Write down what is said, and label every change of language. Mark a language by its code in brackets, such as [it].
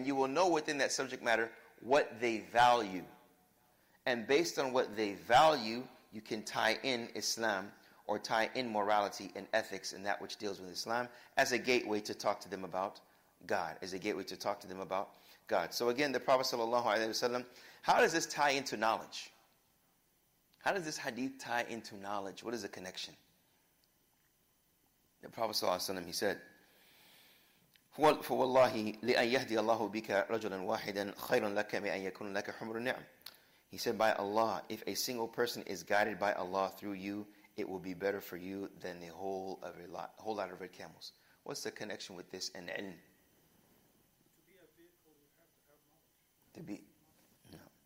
[en] And you will know within that subject matter what they value. And based on what they value, you can tie in Islam or tie in morality and ethics and that which deals with Islam as a gateway to talk to them about God. As a gateway to talk to them about God. So again, the Prophet sallallahu alaihi wasallam, how does this tie into knowledge? How does this hadith tie into knowledge? What is the connection? The Prophet sallallahu alaihi wasallam, he said, [ar] فَوَاللَّهِ لِأَنْ يَهْدِيَ اللَّهُ بِكَ رَجُلًا وَاحِدًا خَيْرٌ لَكَ مِنْ أَنْ يَكُنُ لَكَ حُمْرٌ نِعْمٌ. [en] He said, by Allah, if a single person is guided by Allah through you, it will be better for you than the whole lot of red camels. What's the connection with this and ilm? To be a vehicle, you have to have knowledge.